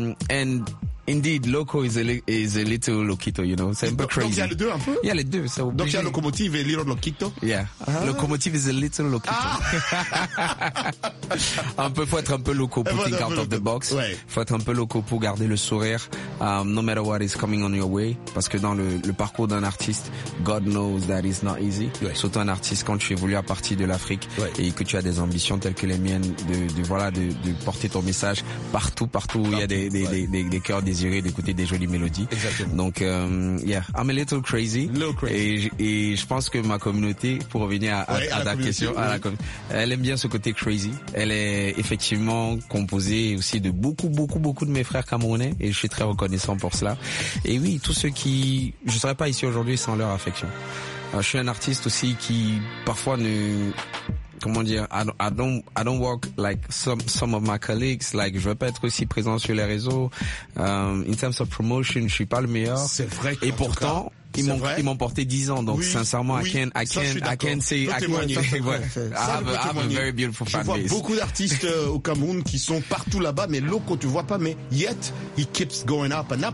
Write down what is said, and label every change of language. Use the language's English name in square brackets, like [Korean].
[English] And indeed, Loco is a little loquito, you know. [French] C'est un peu crazy. Donc, il y a les deux un peu? Il y a les deux. C'est donc, il y a Locomotive et Little Loquito? [English] Yeah. Uh-huh. Locomotive is a little loquito. Ah. [French] faut être un peu loco pour [English] think out of the box. [French] Ouais. Faut être un peu loco pour garder le sourire. [English] No matter what is coming on your way. [French] Parce que dans le parcours d'un artiste, [English] God knows that is not easy. [French] Ouais. Surtout un artiste quand tu évolues à partir de l'Afrique. Ouais. Et que tu as des ambitions telles que les miennes de porter ton message partout où il y a des cœurs désirer d'écouter des jolies mélodies. Exactement. Donc, [English] yeah, I'm a little crazy. [French] Et je pense que ma communauté, pour revenir à la question, elle aime bien ce côté crazy. Elle est effectivement composée aussi de beaucoup, beaucoup, beaucoup de mes frères camerounais et je suis très reconnaissant pour cela. Et oui, tous ceux qui... Je ne serais pas ici aujourd'hui sans leur affection. Alors, je suis un artiste aussi qui parfois ne... Comment dire, [English] I don't work like some of my colleagues. Like, [French] je veux pas être aussi présent sur les réseaux. [English] In terms of promotion, [French] je suis pas le meilleur. C'est vrai. Et pourtant, ils m'ont porté 10 ans. Donc, oui, sincèrement, oui, [English] I have a very beautiful fan base. [French] Je vois beaucoup d'artistes au Cameroun qui sont partout là-bas, mais Loco, tu vois pas. Mais [English] yet, he keeps going up and up.